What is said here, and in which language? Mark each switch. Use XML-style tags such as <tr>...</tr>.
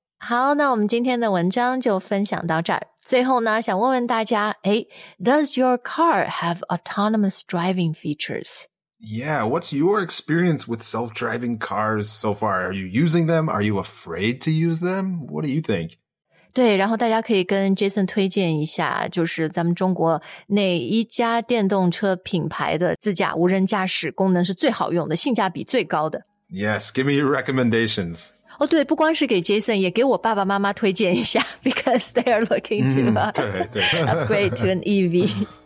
<zh>好，那我们今天的文章就分享到这儿。最后呢，想问问大家，哎，</zh> <en>Does your car have autonomous driving features? Yeah, what's your experience with self-driving cars so far? Are you using them? Are you afraid to use them? What do you think?</en> <zh>对，然后大家可以跟 Jason 推荐一下，就是咱们中国哪一家电动车品牌的自驾无人驾驶功能是最好用的，性价比最高的。</zh> <en>Yes, give me your recommendations.</en> <zh>哦，对，不光是给 Jason, 也给我爸爸妈妈推荐一下 ,</zh> <en>because they are looking to upgrade to an EV.</en>